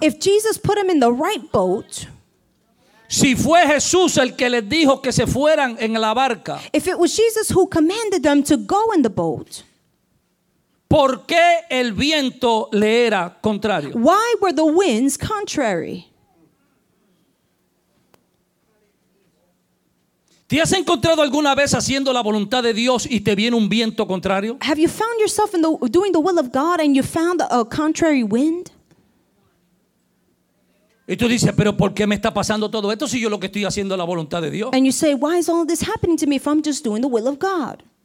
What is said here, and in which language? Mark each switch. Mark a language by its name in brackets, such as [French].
[English] If Jesus put him in the right boat. [Spanish] Si fue Jesús el que les dijo que se fueran en la barca. [English] If it was Jesus who commanded them to go in the boat. [Spanish] ¿Por qué el viento le era contrario? [English] Why were the winds contrary? [Spanish] ¿Te has encontrado alguna vez haciendo la voluntad de Dios y te viene un viento contrario? [English] Have you found yourself in the, doing the will of God and you found a contrary wind? [Spanish] Y tú dices, pero ¿por qué me está pasando todo esto si yo lo que estoy haciendo es la voluntad de Dios? [English] And you say, why is all this happening to me if I'm just doing the will of God?